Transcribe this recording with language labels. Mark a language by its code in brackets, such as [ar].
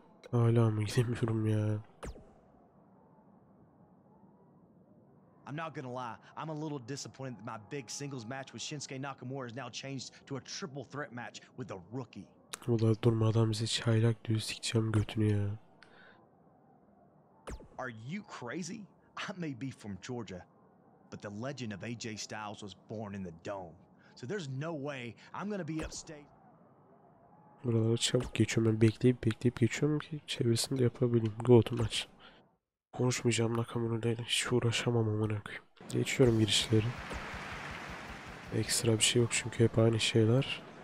[tr] Hala mı gidemiyorum ya? [en] I'm not gonna lie, I'm a little disappointed that my big singles match with Shinsuke Nakamura has now changed to a triple threat match with a rookie. [tr] O da durmadan bize çaylak diyor, sikeceğim götünü ya. [en] Are you crazy? I may be from Georgia, but the legend of AJ Styles was born in the Dome. So there's no way I'm gonna be upstate. [tr] Buraları çabuk geçiyorum, ben bekleyip bekleyip geçiyorum ki çevresini de yapabileyim. [en] Go to match. [tr] Konuşmayacağım Nakamura ile, hiç uğraşamam amına koyayım. Geçiyorum girişleri. Ekstra bir şey yok çünkü hep aynı şeyler.